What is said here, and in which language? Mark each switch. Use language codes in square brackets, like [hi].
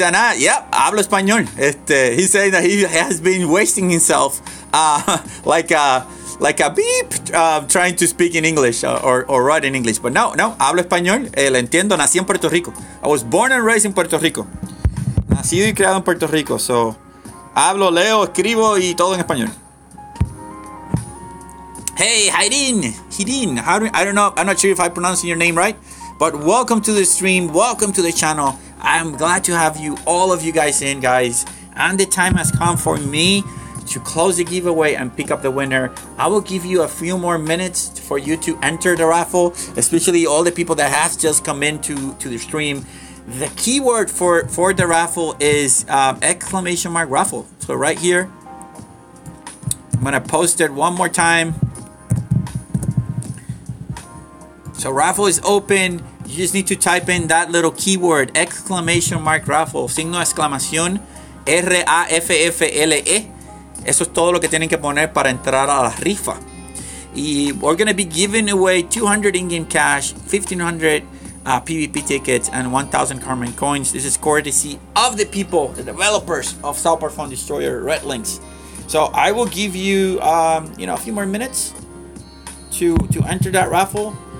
[en] And I, yep, [es] hablo español. [en] He's saying that he has been wasting himself like a beep, trying to speak in English or write in English. [es] But no, hablo español, lo entiendo, nací en Puerto Rico. [en] I was born and raised in Puerto Rico. [es] Nacido y criado en Puerto Rico. So, hablo, leo, escribo y todo en español. [en] Hey, Hayrin, I'm not sure if I'm pronouncing your name right, but welcome to the stream, welcome to the channel. I'm glad to have you, all of you guys in, guys. And the time has come for me to close the giveaway and pick up the winner. I will give you a few more minutes for you to enter the raffle, especially all the people that have just come into the stream. The keyword for the raffle is exclamation mark raffle. So right here, I'm gonna post it one more time. So raffle is open. You just need to type in that little keyword, exclamation mark raffle, [es] signo exclamación, [en] R-A-F-F-L-E. [es] Eso es todo lo que tienen que poner para entrar a la rifa. [en] Y we're going to be giving away 200 in-game cash, 1,500 PvP tickets, and 1,000 Carmen coins. This is courtesy of the people, the developers of South Park Phone Destroyer, Redlinks. So I will give you a few more minutes to enter that raffle.